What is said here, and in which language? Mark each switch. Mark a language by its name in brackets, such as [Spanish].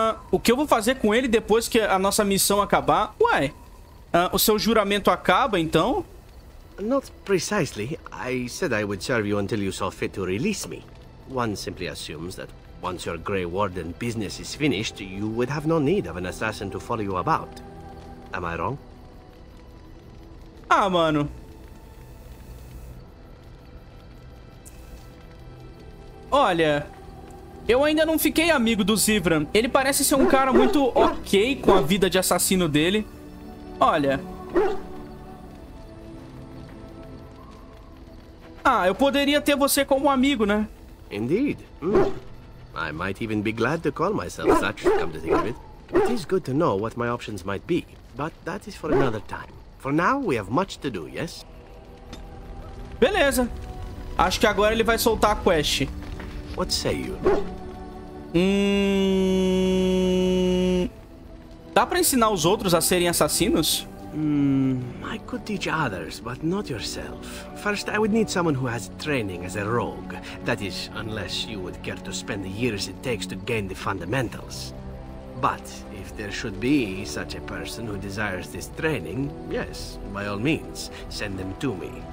[Portuguese] O que eu vou fazer com ele depois que a nossa missão acabar? Uai, o seu juramento acaba, então? [English] Not precisely. I said I would serve you until you saw fit to release me. One simply assumes that once your Grey Warden business is finished, you would have no need of an assassin to follow you about. Am I wrong? [Portuguese] Ah, mano. Olha, eu ainda não fiquei amigo do Zivran. Ele parece ser um cara muito ok com a vida de assassino dele. Olha, ah, eu poderia ter você como amigo, né? [English] Indeed. I might even be glad to call myself such, come to think of it. It is good to know what my options might be, but that is for another time. For now, we have much to do, yes? [Portuguese] Beleza. Acho que agora ele vai soltar a quest. [English] What say you? [Portuguese] Dá pra ensinar os outros a serem assassinos? [English] I could teach others, but not yourself. First, I would need someone who has training as a rogue. That is, unless you would care to spend the years it takes to gain the fundamentals. But if there should be such a person who desires this training, yes, by all means, send them to me.